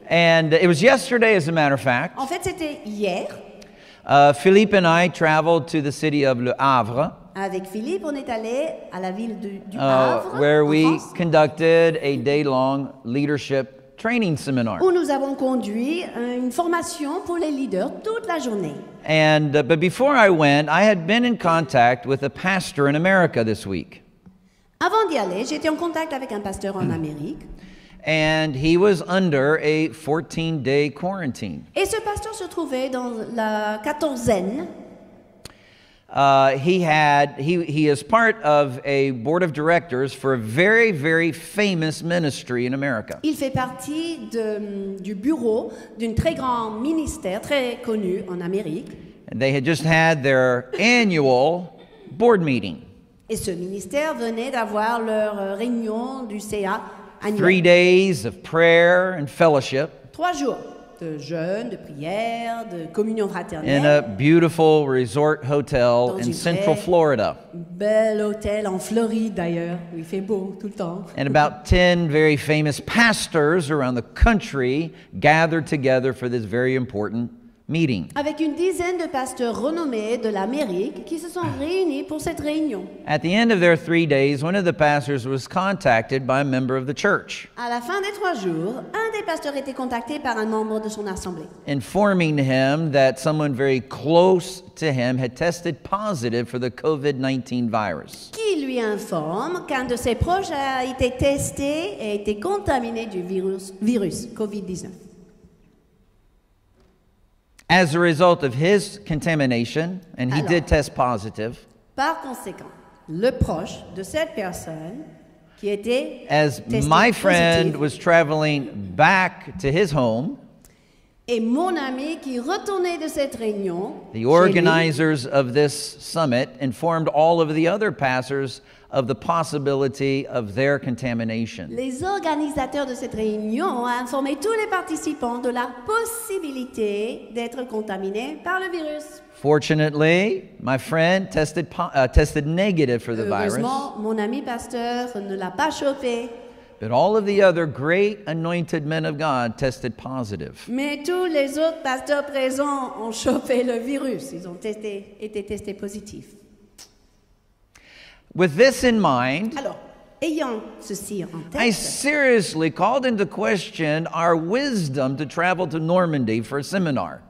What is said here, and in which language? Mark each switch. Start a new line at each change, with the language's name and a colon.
English: And it was yesterday, as a matter of fact.
French: En fait, c'était hier.
English: Philippe and I traveled to the city of Le Havre.
French: Avec Philippe, on est allé à la ville du Havre.
English: Where we conducted a day-long leadership training seminar.
French: Où nous avons conduit une formation pour les leaders toute la journée.
English: And but before I went, I had been in contact with a pastor in America this week.
French: Avant d'y aller, j'étais en contact avec un pasteur en Amérique.
English: And he was under a 14-day quarantine.
French: Et ce pasteur se trouvait dans la quatorzaine.
English: He is part of a board of directors for a very, very famous ministry in America.
French: Il fait partie du bureau d'une très grand ministère très connu en Amérique.
English: And they had just had their annual board meeting.
French: Et ce ministère venait d'avoir leur réunion du CA annuelle.
English: 3 days of prayer and fellowship.
French: 3 jours. De jeûne, de prière, de communion fraternelle.
English: In a beautiful resort hotel in central Florida.
French: Bel hôtel en Floride d'ailleurs, où il fait beau tout le temps.
English: And about 10 very famous pastors around the country gathered together for this very important meeting.
French: Avec une dizaine de pasteurs renommés de l'Amérique qui se sont réunis pour cette réunion.
English: At the end of their 3 days, one of the pastors was contacted by a member of the church.
French: À la fin des 3 jours, un des pasteurs était contacté par un membre de son assemblée.
English: Informing him that someone very close to him had tested positive for the COVID-19 virus.
French: Qui lui informe qu'un de ses proches a été testé et été contaminé du virus COVID-19.
English: As a result of his contamination, and he did test positive.
French: Par conséquent, le proche de cette personne qui était testé positif.
English: As my friend was traveling back to his home.
French: Et mon ami qui retournait de cette réunion.
English: The organizers of this summit informed all of the other pastors of the possibility of their contamination.
French: Les organisateurs de cette réunion ont informé tous les participants de la possibilité d'être contaminés par le virus.
English: Fortunately, my friend tested negative for the virus.
French: Heureusement, mon ami pasteur ne l'a pas chopé.
English: But all of the other great anointed men of God tested positive.
French: Mais tous les autres pasteurs présents ont chopé le virus. Ils ont été testés positifs.
English: With this in mind,
French: alors, ayant ceci en tête,
English: I seriously called into question our wisdom to travel to Normandy for a seminar.